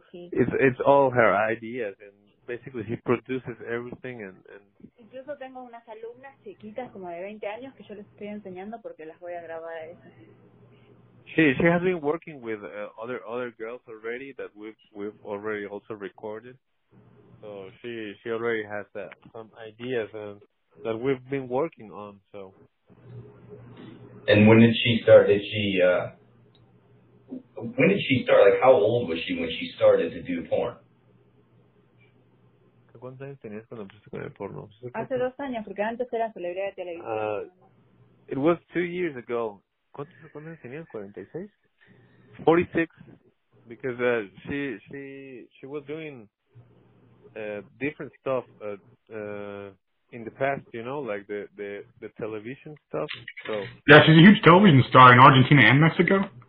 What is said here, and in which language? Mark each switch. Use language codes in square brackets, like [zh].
[en] It's all her ideas, and basically she produces everything. And [es] incluso tengo unas alumnas chiquitas como de 20 años que yo les estoy enseñando porque las voy a grabar. [en] She has been working with other girls already that we've already also recorded. So she already has some ideas and that we've been working on. So. And when did she start? When did she start? Like, how old was she when she started to do porn? [es] ¿Cuántos años tenías cuando empezaste con el porno? Hace 2 años, porque antes era celebridad de televisión. [en] It was 2 years ago. [es] ¿Cuántos años tenías? [en] 46. 46, because she was doing different stuff in the past, you know, like the television stuff. So. Yeah, she's a huge television star in Argentina and Mexico.